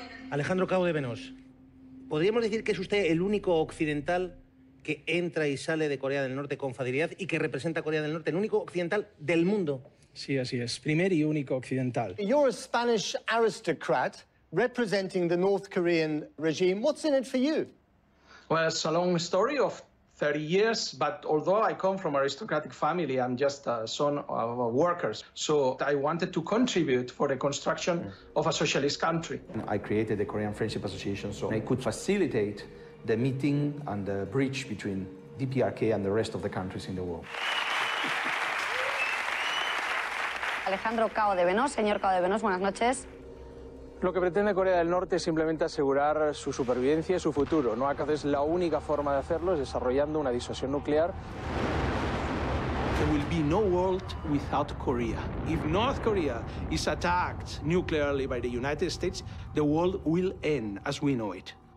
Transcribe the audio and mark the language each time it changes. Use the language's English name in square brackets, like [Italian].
[Spanish] Alejandro Cardebenas, ¿podríamos decir que es usted el único occidental que entra y sale de Corea del Norte con facilidad y que representa a Corea del Norte, el único occidental del mundo? Sí, así es, primer y único occidental. [English] You're a Spanish aristocrat representing the North Korean regime. What's in it for you? Well, it's a long story of 30 years, but although I come from aristocratic family, I'm just a son of workers. So I wanted to contribute for the construction of a socialist country. I created the Korean Friendship Association so I could facilitate the meeting and the bridge between DPRK and the rest of the countries in the world. [Spanish] Alejandro Cardebenas, señor Cardebenas, buenas noches. Lo que pretende Corea del Norte es simplemente asegurar su supervivencia y su futuro. No acaso la única forma de hacerlo es desarrollando una disuasión nuclear. [English] There will be no world without Korea. If North Korea is attacked nuclearly by the United States, the world will end as we know it.